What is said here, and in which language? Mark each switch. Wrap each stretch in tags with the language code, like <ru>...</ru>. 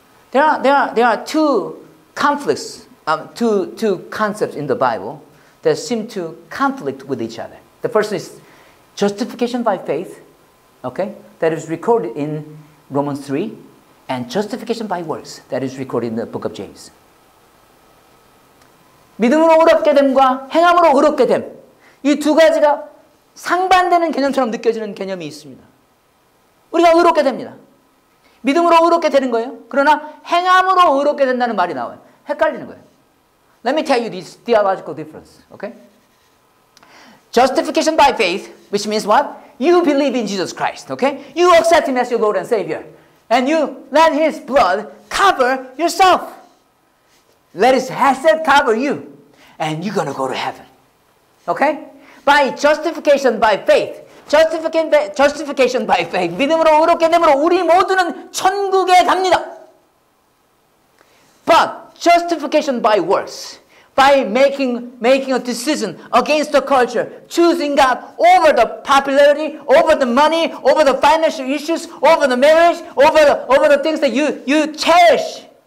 <en>There are two conflicts, two concepts in the Bible that seem to conflict with each other. The first is justification by faith, okay, that is recorded in Romans 3, and justification by works that is recorded in the book of James.</en> <ko>믿음으로 의롭게 됨과 행함으로 의롭게 됨, 이 두 가지가 상반되는 개념처럼 느껴지는 개념이 있습니다. 우리가 의롭게 됩니다. 믿음으로 의롭게 되는 거예요. 그러나 행함으로 의롭게 된다는 말이 나와요. 헷갈리는 거예요.</ko> <en>Let me tell you this theological difference. Okay? Justification by faith, which means what? You believe in Jesus Christ. Okay? You accept Him as your Lord and Savior. And you let His blood cover yourself. Let His hesed cover you. And you're going to go to heaven. Okay? By justification by faith, Justification by faith.</en> <ko>믿음으로 의롭게 됨으로 우리 모두는 천국에 갑니다.</ko> <en>But justification by works, by making a decision against the culture, choosing God over the popularity, over the money, over the financial issues, over the marriage, over the things that you cherish.</en>